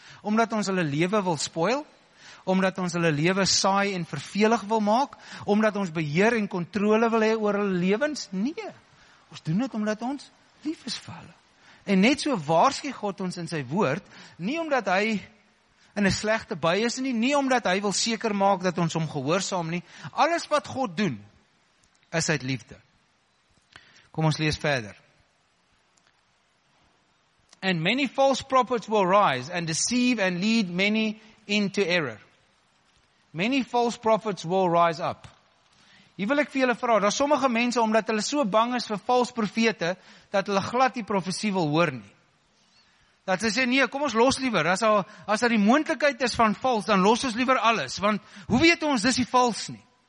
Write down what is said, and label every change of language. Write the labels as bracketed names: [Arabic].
[Afrikaans] Omdat ons hulle lewe wil spoil, omdat ons hulle lewe saai en vervelig wil maak, omdat ons beheer en kontrole wil hê oor hulle lewens? Nee, ons doen dit omdat ons lief is vir hulle. En net so waarskei God ons in sy woord, nie omdat hy in 'n slegte bui is nie, nie omdat hy wil seker maak dat ons hom gehoorsaam nie. Alles wat God doen, is uit liefde. Kom ons lees verder. [English] And many false prophets will rise and deceive and lead many into error. Many false prophets will rise up. [Afrikaans] Hier wil ek vir julle vra, daar sommige mense, omdat hulle so bang is vir valse profete, dat hulle glad die profesie wil hoor nie. Dat hy sê, nee, kom ons los liever, as daar die moontlikheid is van vals, dan los ons liever alles, want hoe weet ons, dis die vals nie?